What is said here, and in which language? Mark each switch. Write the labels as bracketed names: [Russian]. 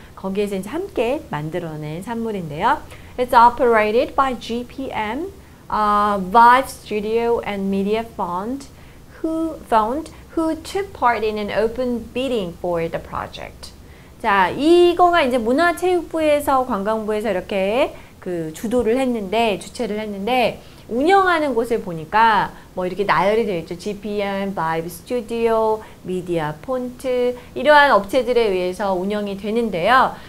[Korean] 거기에서 이제 함께 만들어낸 산물인데요. [English] It's operated by GPM, Vive Studio and Media Fund, who took part in an open bidding for the project. [Korean] 자, 이거가 이제 문화체육부에서 관광부에서 이렇게 그 주최를 했는데 운영하는 곳을 보니까 뭐 이렇게 나열이 되어 있죠. GPM, Vive Studio, Media Font 이러한 업체들에 의해서 운영이 되는데요.